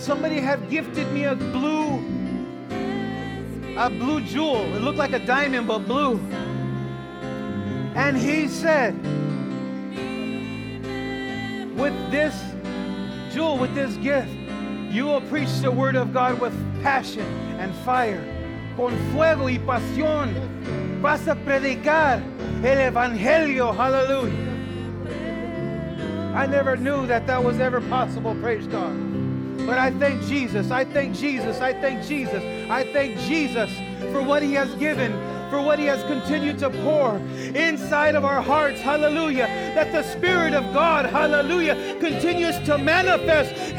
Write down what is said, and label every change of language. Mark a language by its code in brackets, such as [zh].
[en] Somebody had gifted me a blue jewel. It looked like a diamond, but blue. And He said, with this jewel, with this gift, you will preach the Word of God with passion and fire. [es] Con fuego y pasión, vas a predicar el Evangelio, hallelujah. [en] I never knew that was ever possible, praise God. But I thank Jesus, I thank Jesus, I thank Jesus, I thank Jesus for what He has given, for what He has continued to pour inside of our hearts, hallelujah. That the Spirit of God, hallelujah, continues to manifest.